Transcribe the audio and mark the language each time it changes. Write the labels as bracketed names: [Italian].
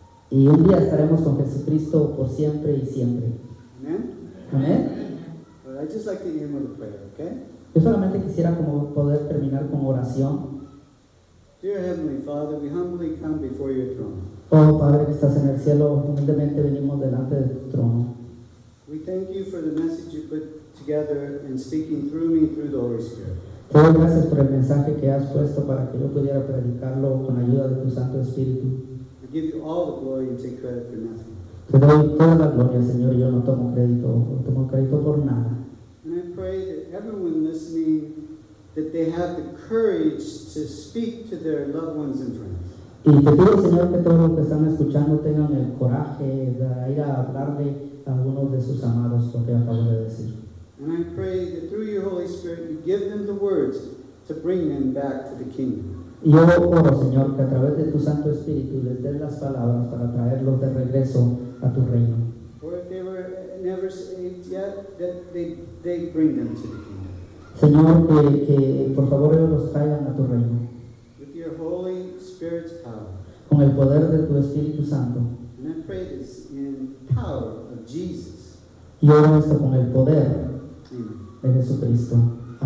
[Spanish] Y un día estaremos con Jesucristo por siempre y siempre. Amén. [English] Okay? [Spanish] Yo solamente quisiera como poder terminar con oración. [English] Dear Heavenly Father, we humbly come before your throne. [Spanish] Oh, Padre que estás en el cielo, humildemente venimos delante de tu trono. [English] We thank you for the message you put together and speaking through me through the Holy Spirit. [Spanish] Te doy gracias por el mensaje que has puesto para que yo pudiera predicarlo con ayuda de tu Santo Espíritu. [English] I give you all the glory and take credit for nothing. [Spanish] Te doy toda la gloria, Señor, yo no tomo crédito por nada. [English] And I pray that everyone listening, that they have the courage to speak to their loved ones and friends. [Spanish] Y te pido, Señor, que todos los que están escuchando tengan el coraje de ir a hablarle a algunos de sus amados lo que acabo de decir. [English] And I pray that through your Holy Spirit you give them the words to bring them back to the kingdom. [Spanish] Y yo oro, Señor, que a través de tu Santo Espíritu les des las palabras para traerlos de regreso a tu reino. [English] Or if they were never saved yet, that they bring them to the kingdom. [Spanish] Señor, que por favor ellos los traigan a tu reino. [English] With your Holy Spirit's power. [Spanish] Con el poder de tu Espíritu Santo. [English] And I pray this in power of Jesus. [Spanish] Y oro esto con el poder de Jesucristo.